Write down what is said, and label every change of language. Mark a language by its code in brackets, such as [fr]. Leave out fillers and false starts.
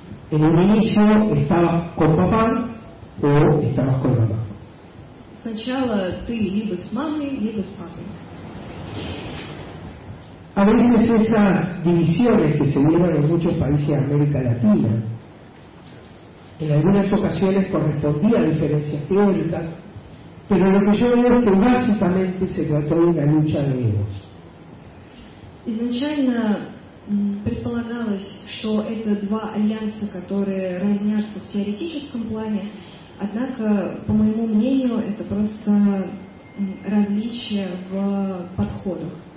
[es] En un inicio estabas con papá o estabas con mamá. [ru] Сначала ты либо с мамой, либо с папой. [es] A veces esas divisiones que se llevan en muchos países de América Latina, en algunas ocasiones correspondían a diferencias teóricas, pero lo que yo veo es que básicamente se trató de una lucha de egos. [ru] Изначально предполагалось, что это два альянса, которые разнятся в теоретическом плане, однако, по моему мнению, это просто различие в подходах.